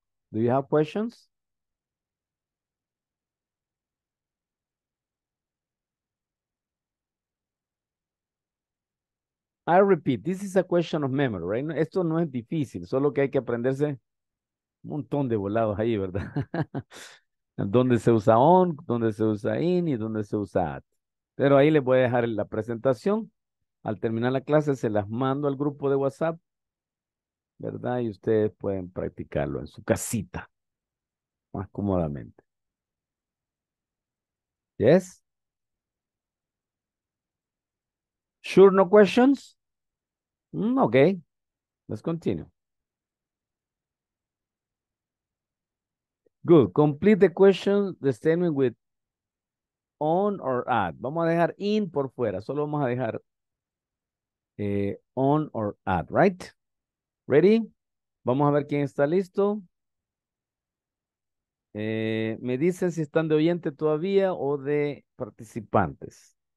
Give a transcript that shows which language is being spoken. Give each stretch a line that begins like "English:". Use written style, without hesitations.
English: Do you have questions? I repeat, this is a question of memory, right?
Spanish: Esto no es difícil, solo que hay que aprenderse un montón de volados ahí, ¿verdad? ¿Dónde se usa on, dónde se usa in y dónde se usa at? Pero ahí les voy a dejar la presentación. Al terminar la clase se las mando al grupo de WhatsApp, ¿verdad? Y ustedes pueden practicarlo en su casita, más cómodamente.
English: ¿Yes? Sure, no questions? Okay, let's continue. Good, complete the question, the statement with on or at.
Spanish: Vamos a dejar in por fuera, solo vamos a dejar
English: on or at, right? Ready?
Spanish: Vamos a ver quién está listo. Me dicen si están de oyente todavía o de participantes.